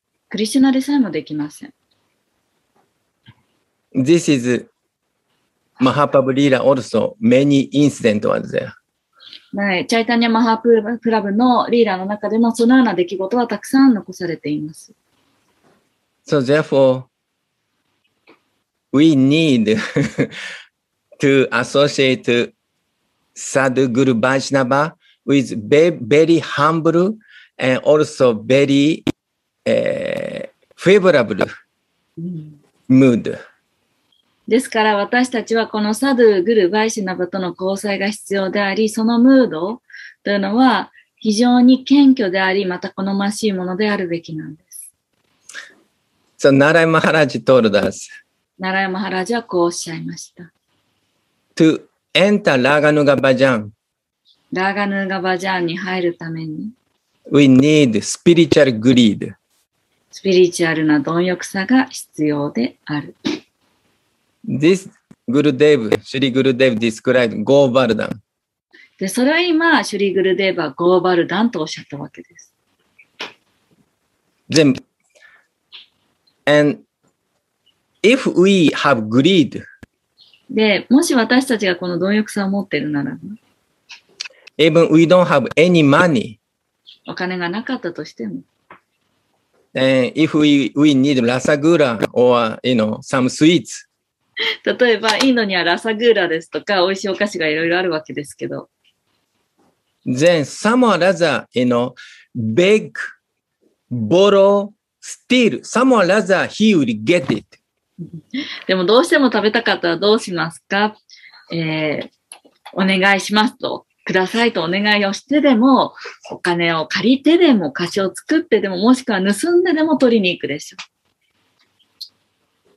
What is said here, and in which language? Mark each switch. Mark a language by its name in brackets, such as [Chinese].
[Japanese] クリシュナでさえもできません。 [English] This is Mahaprabhu Lila also. Many incidents was there. [Japanese] はい、チャイタニアマハプラブのリーラの中でもそのような出来事はたくさん残されています。 [English] So therefore, we need to associate Sadhguru Vaishnava with very humble and also very favorable mood. [Japanese] ですから私たちはこのサドゥ・グル・バイシナバとの交際が必要であり、そのムードというのは非常に謙虚であり、また好ましいものであるべきなんです。 [English] So, ナライ・マハラジ told us. [Japanese] ナライ・マハラジはこうおっしゃいました。 [English] To enter ラガヌガバジャン。 [Japanese] ラガヌガバジャンに入るために。 [English] We need spiritual greed. [Japanese] スピリチュアルな貪欲さが必要である。 [English] This Gurudev, Shri Gurudev described Govardhan. [Japanese] で、それは今、シュリ・グルデーヴはゴーバルダンとおっしゃったわけです。 [English] Then, and if we have greed, [Japanese] で、もし私たちがこの貪欲さを持ってるなら、 [English] even we don't have any money, [Japanese] お金がなかったとしても、 [English] if we need rasagura or you know some sweets. [Japanese] 例えばインドにはラサグーラですとか美味しいお菓子がいろいろあるわけですけど。 [English] Then some or other, you know, beg, borrow, steal. Some or other, he will get it. [Japanese] でもどうしても食べたかったらどうしますか、お願いしますと、くださいとお願いをしてでも、お金を借りてでも、菓子を作ってでも、もしくは盗んででも取りに行くでしょう。